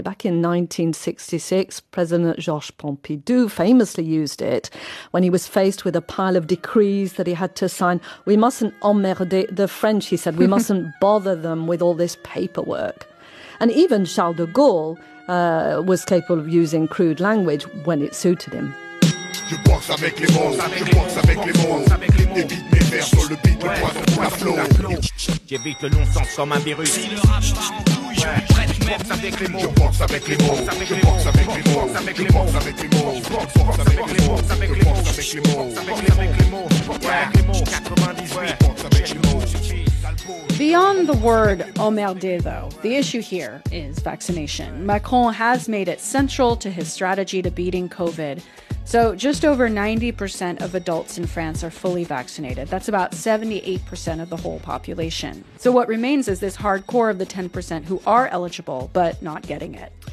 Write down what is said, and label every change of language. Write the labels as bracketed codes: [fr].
[en] Back in 1966, President Georges Pompidou famously used it when he was faced with a pile of decrees that he had to sign. We mustn't emmerder the French, he said. We mustn't bother them with all this paperwork. And even Charles de Gaulle was capable of using crude language when it suited him. [fr] Je boxe avec les mots, je boxe avec les mots. Évite mes vers sur le beat, le poison pour la flow. J'évite le non-sens comme un virus. Si le rap part en couille, je prête mes avec les mots. Je boxe avec les mots, je boxe avec les mots. Je boxe avec les mots, je boxe avec les mots. Je boxe avec les mots, je boxe avec les mots. Je boxe avec les mots, 98, je boxe avec les mots. [en] Beyond the word emmerder, though, the issue here is vaccination. Macron has made it central to his strategy to beating COVID. So just over 90% of adults in France are fully vaccinated. That's about 78% of the whole population. So what remains is this hardcore of the 10% who are eligible but not getting it.